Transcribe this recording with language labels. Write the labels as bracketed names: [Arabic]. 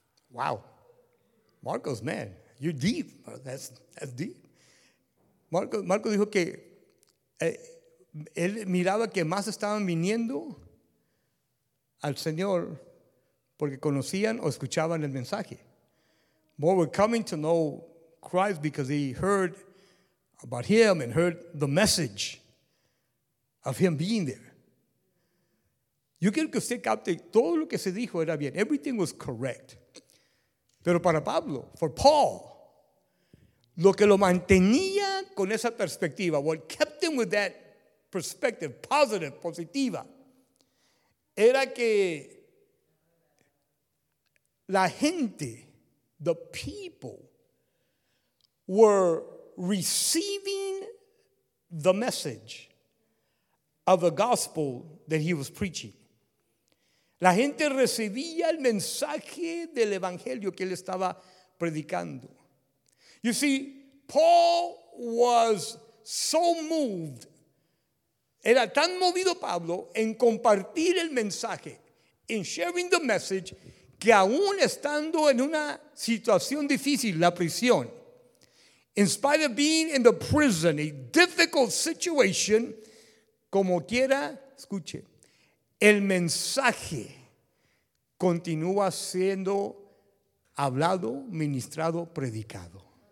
[English] Wow. Marcos, man. You're deep. That's deep. [Spanish] Marco dijo que él miraba que más estaban viniendo al Señor porque conocían o escuchaban el mensaje. [English] More were coming to know Christ because he heard about him and heard the message of him being there. [Spanish] Yo quiero que usted capte todo lo que se dijo era bien. [English] Everything was correct. [Spanish] Pero para Pablo, [English] for Paul, [Spanish] lo que lo mantenía con esa perspectiva, [English] what kept him with that perspective, positive, [Spanish] positiva, era que la gente, [English] the people, were receiving the message of the gospel that he was preaching. [Spanish] La gente recibía el mensaje del evangelio que él estaba predicando. [English] You see, Paul was so moved. [Spanish] Era tan movido Pablo en compartir el mensaje, en [English] sharing the message, [Spanish] que aún estando en una situación difícil, la prisión, [English] in spite of being in the prison, a difficult situation, [Spanish] como quiera, escuche, el mensaje continúa siendo hablado, ministrado, predicado.